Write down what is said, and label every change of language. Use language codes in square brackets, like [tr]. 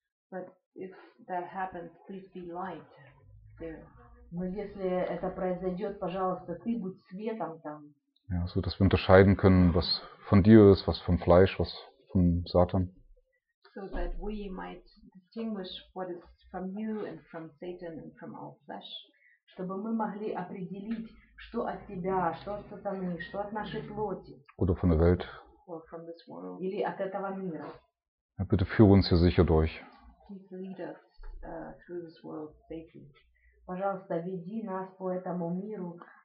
[en] But if that happens, please be light there. [ru] Но если это произойдет, пожалуйста, ты будь светом там. [de] Ja, so dass wir unterscheiden können, was von dir ist, was vom Fleisch, was von Satan. [en] So that we might distinguish what is from you and from Satan and from our flesh. [ru] Чтобы мы могли определить, что от тебя, что от сатаны, что от нашей плоти. [de] Oder von der Welt. [en] Or from this world. [ru] Или от этого мира. [de] Ja, bitte führe uns hier sicher durch. [en] Please lead us through this world safely. [ru] Пожалуйста, веди нас по этому миру.